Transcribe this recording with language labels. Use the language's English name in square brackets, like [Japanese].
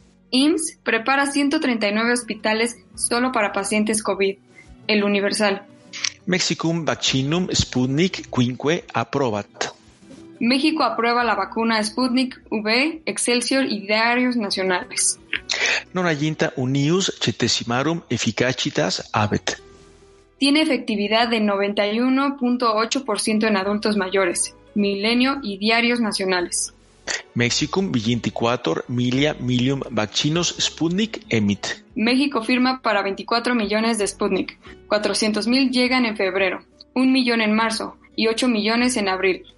[Spanish] IMSS prepara 139 hospitales solo para pacientes COVID. El universal. [Latin] Mexicum vaccinum Sputnik quinque aprobat. [Spanish] México aprueba la vacuna Sputnik V, Excelsior y Diarios Nacionales. [Latin] Non aginta unius centesimarum efficacitas habet. [Spanish] Tiene efectividad de 91.8% en adultos mayores, Milenio y Diarios Nacionales. [Latin] Mexicum 24 milia milium vaccinos Sputnik emit. [Spanish] México firma para 24 millones de Sputnik. 400,000 llegan en febrero, 1 millón en marzo y 8 millones en abril.